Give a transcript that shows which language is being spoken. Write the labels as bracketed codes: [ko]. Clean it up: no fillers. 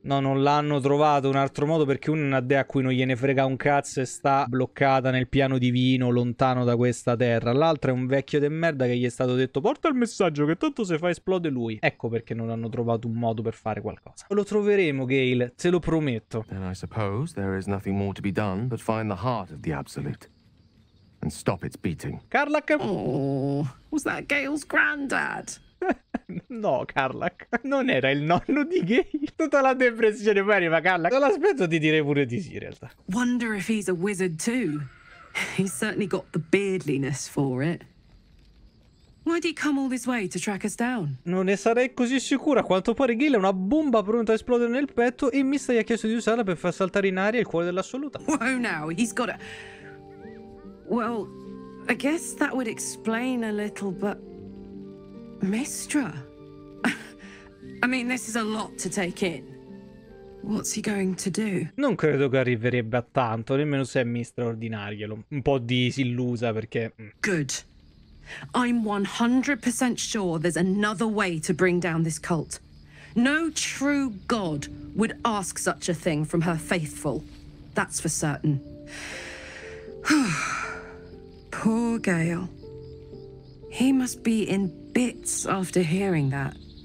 [it] No, non l'hanno trovato un altro modo, perché uno è una dea a cui non gliene frega un cazzo e sta bloccata nel piano divino lontano da questa terra. L'altra è un vecchio de merda che gli è stato detto porta il messaggio che tanto se fa esplode lui. Ecco perché non hanno trovato un modo per fare qualcosa. Lo troveremo, Gale, te lo prometto. [en] Then I suppose there is nothing more to be done but find the heart of the absolute and stop its beating. [it] Carla, che... [en] Oh, was that Gale's granddad? [it] No, Karlak, non era il nonno di Gale. Tutta la depressione poi arriva, Karlak. Non l'aspetto di dire pure di sì, in realtà. [en] Wonder if he's a wizard too. He's certainly got the beardliness for it. Why'd he come all this way to track us down? [it] Non ne sarei così sicura. A quanto pare Gale è una bomba pronta a esplodere nel petto e Mistra gli ha chiesto di usarla per far saltare in aria il cuore dell'assoluta. [en] Oh no, he's got a... Well, I guess that would explain a little, but... Mistra? I mean, this is a lot to take in. What's he going to do? [it] Non credo che arriverebbe a tanto, nemmeno se è mister ordinario. Un po' disillusa perché... [en] Good. I'm 100% sure there's another way to bring down this cult. No true god would ask such a thing from her faithful. That's for certain. Poor Gale. He must be in bits after hearing that.